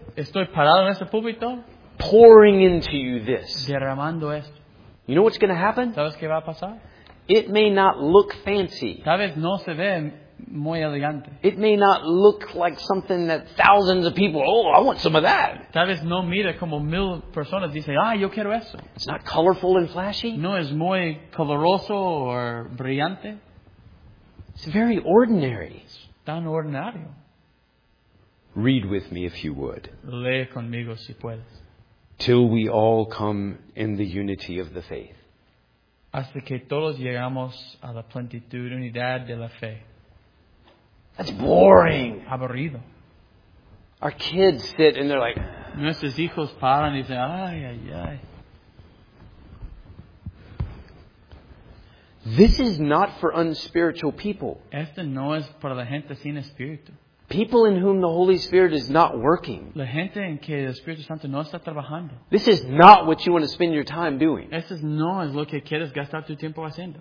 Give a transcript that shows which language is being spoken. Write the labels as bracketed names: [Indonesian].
[Spanish] estoy parado en este púlpito, [English] pouring into you this, [Spanish] derramando esto. [English] You know what's going to happen? [Spanish] ¿Sabes qué va a pasar? [English] It may not look fancy. [Spanish] Tal vez no se ve muy elegante. [English] It may not look like something that thousands of people, oh, I want some of that. [Spanish] Tal vez no mira como mil personas dicen, ah, yo quiero eso. [English] It's not colorful and flashy. [Spanish] No es muy coloroso [English] or [Spanish] brillante. [English] It's very ordinary. [Spanish] Es tan ordinario. [English] Read with me if you would. [Spanish] Lee conmigo si puedes. [English] Till we all come in the unity of the faith. [Spanish] Hasta que todos llegamos a la plenitud, unidad de la fe. [English] That's boring. [Spanish] Aburrido. [English] Our kids sit and they're like. [Spanish] Nuestros hijos paran y dicen, ay, ay, ay. [English] This is not for unspiritual people. [Spanish] Esto no es para la gente sin espíritu. [English] People in whom the Holy Spirit is not working. [Spanish] La gente en que el Espíritu Santo no está trabajando. [English] This is not what you want to spend your time doing. [Spanish] Esto no es lo que quieres gastar tu tiempo haciendo.